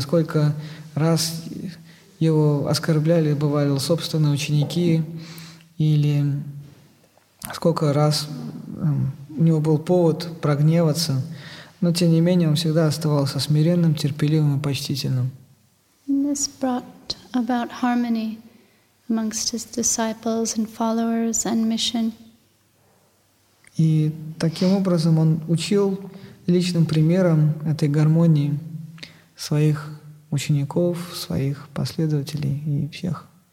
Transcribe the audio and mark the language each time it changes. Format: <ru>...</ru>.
<ru>Сколько раз его оскорбляли, бывали собственные ученики, или сколько раз у него был повод прогневаться, но тем не менее он всегда оставался смиренным, терпеливым и почтительным.</ru> <en>This brought about harmony amongst his disciples and followers and mission.</en> <ru>И таким образом он учил личным примером этой гармонии своих учеников, своих последователей и всех.</ru>